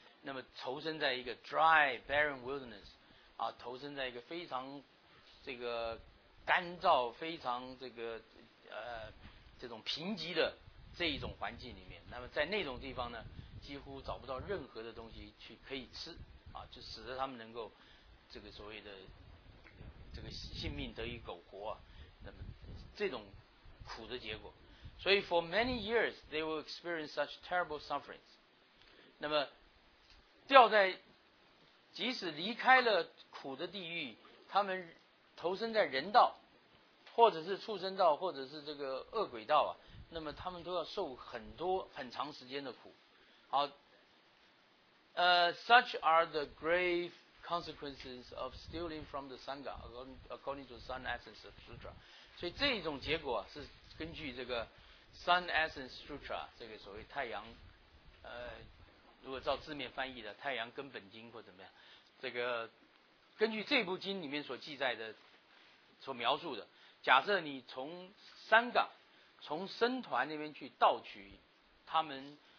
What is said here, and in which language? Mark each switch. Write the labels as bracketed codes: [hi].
[zh] 那么投身在一个 [en] dry barren wilderness [zh] 啊，投身在一个非常这个干燥非常这个这种贫瘠的这一种环境里面，那么在那种地方呢几乎找不到任何的东西去可以吃啊，就使得他们能够这个所谓的这个性命得以苟活啊，那么这种苦的结果。所以 [en] for many years they will experience such terrible sufferings。 [zh] 那么掉在即使离开了苦的地狱，他们投身在人道，或者是畜生道，或者是这个恶鬼道啊，那么他们都要受很多很长时间的苦。好， [en] such are the grave consequences of stealing from the Sangha according to Sun Essence Sutra. [zh] 所以这一种结果、啊、是根据这个 Sun Essence Sutra 这个所谓太阳，如果照字面翻译的太阳根本经或怎么样，这个根据这部经里面所记载的所描述的，假设你从三岗从僧团那边去盗取他们